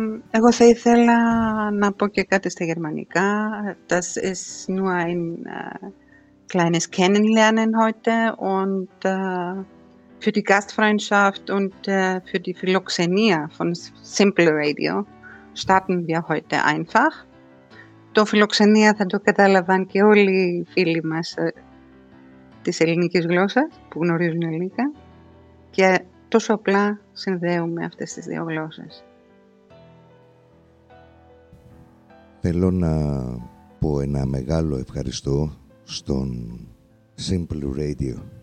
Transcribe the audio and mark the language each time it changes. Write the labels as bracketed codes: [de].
[el] Εγώ θα ήθελα να πω και κάτι στα γερμανικά. [de] Das ist nur ein kleines Kennenlernen heute und für die Gastfreundschaft und für die Philoxenia von Simple Radio starten wir heute einfach. [el] Το Φιλοξενία θα το κατάλαβαν και όλοι οι φίλοι μας της ελληνικής γλώσσας που γνωρίζουν ελληνικά και τόσο απλά συνδέουμε αυτές τις δύο γλώσσες. Θέλω να πω ένα μεγάλο ευχαριστώ στον Simple Radio.